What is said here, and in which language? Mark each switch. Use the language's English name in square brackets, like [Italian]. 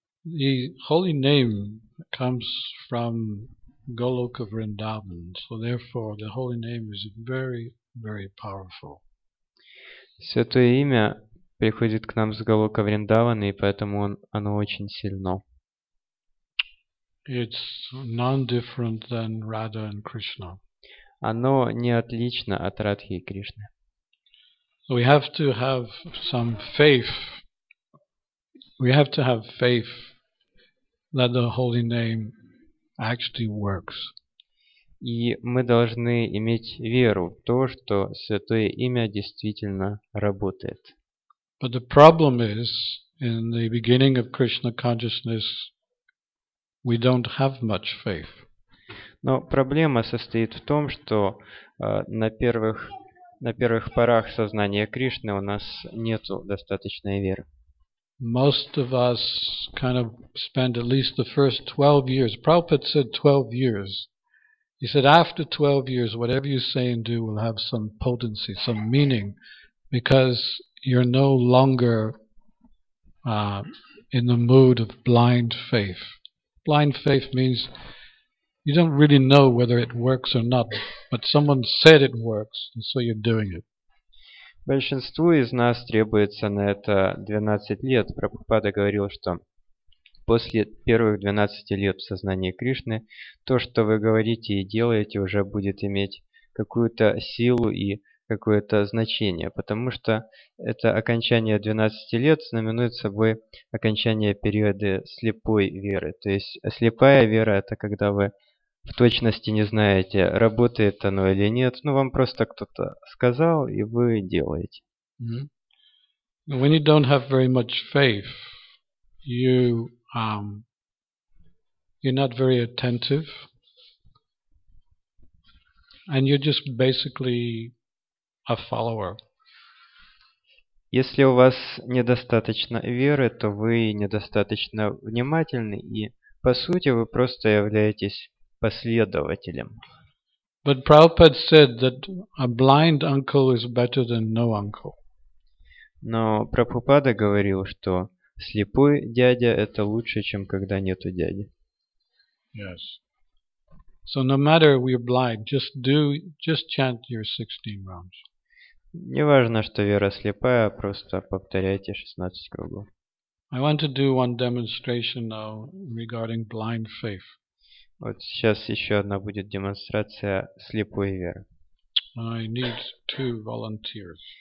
[English] The holy name comes from Goloka Vrindavan, so therefore the holy name is very, very powerful. [Russian] Святое имя приходит к нам с Голока Вриндавана, и поэтому оно очень сильно. [English] It's non-different than Radha and Krishna. [Russian] Оно не отлично от Радхи и Кришны. [English] So we have to have some faith. We have to have faith that the holy name actually works. [Russian] И мы должны иметь веру в то, что святое имя действительно работает. [English] But the problem is, in the beginning of Krishna consciousness, we don't have much faith. [Russian] Но проблема состоит в том, что на первых порах сознания Кришны у нас нету достаточной веры. [English] Most of us kind of spend at least the first 12 years. Prabhupada said 12 years. He said after 12 years, whatever you say and do will have some potency, some meaning, because you're no longer in the mood of blind faith. Blind faith means you don't really know whether it works or not, but someone said it works, and so you're doing it. [Russian] Большинству из нас требуется на это 12 лет. Прабхупада говорил, что после первых 12 лет в сознании Кришны то, что вы говорите и делаете, уже будет иметь какую-то силу и какое-то значение, потому что это окончание 12 лет знаменует собой окончание периода слепой веры. То есть слепая вера – это когда вы в точности не знаете, работает оно или нет, но вам просто кто-то сказал, и вы делаете. Mm-hmm. [English] When you don't have very much faith, you're not very attentive, and you're just basically a follower. [Russian] Если у вас недостаточно веры, то вы недостаточно внимательны, и по сути вы просто являетесь последователем. [English] But Prabhupada said that a blind uncle is better than no uncle. [Russian] Но Прабхупада говорил, что слепой дядя это лучше, чем когда нету дяди. [English] Yes. So no matter we are blind, just chant your 16 rounds. [Russian] Не важно, что вера слепая, просто повторяйте 16 кругов. [English] I want to do one demonstration now regarding blind faith. [Russian] Вот сейчас еще одна будет демонстрация слепой веры. [English] I need two volunteers.